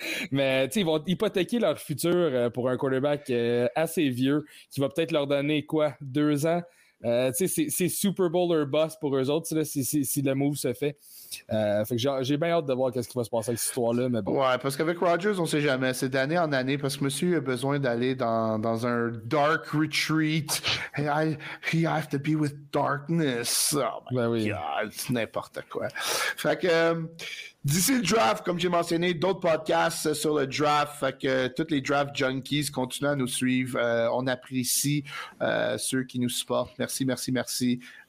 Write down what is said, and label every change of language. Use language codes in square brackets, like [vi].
[fr] Mais tu sais, ils vont hypothéquer leur futur pour un quarterback assez vieux qui va peut-être leur donner quoi, 2 ans? Tu sais, c'est Super Bowl or bust pour eux autres là, si le move se fait. Fait que j'ai bien hâte de voir qu'est-ce qui va se passer avec cette histoire-là. Mais bon. Ouais, parce qu'avec Rodgers, on sait jamais. C'est d'année en année parce que monsieur a besoin d'aller dans un dark retreat. [en] Hey, I have to be with darkness. Oh my God, [fr] c'est n'importe quoi. Fait que d'ici le draft, comme j'ai mentionné, d'autres podcasts sur le draft. Fait que tous les draft junkies continuent à nous suivre. On apprécie ceux qui nous supportent. Merci.